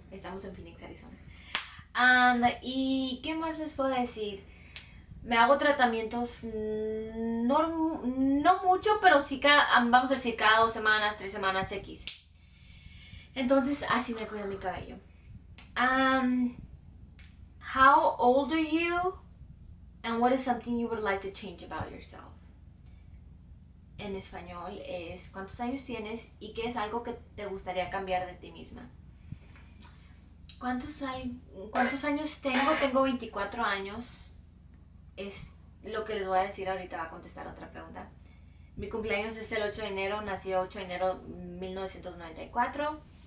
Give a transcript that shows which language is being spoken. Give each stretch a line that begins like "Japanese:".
Spanish: Estamos en Phoenix, Arizona. ¿Y qué más les puedo decir? Me hago tratamientos, no mucho, pero sí, vamos a decir, cada 2 semanas, 3 semanas, X. Entonces, así me cuido mi cabello.
English: How old are you? And what is something you would like to change about yourself?
Spanish: En español es, ¿cuántos años tienes? ¿Y qué es algo que te gustaría cambiar de ti misma? ¿Cuántos años tengo? Tengo 24 años. Es lo que les voy a decir ahorita, va a contestar otra pregunta. Mi cumpleaños es el 8 de enero, nací el 8 de enero de 1994.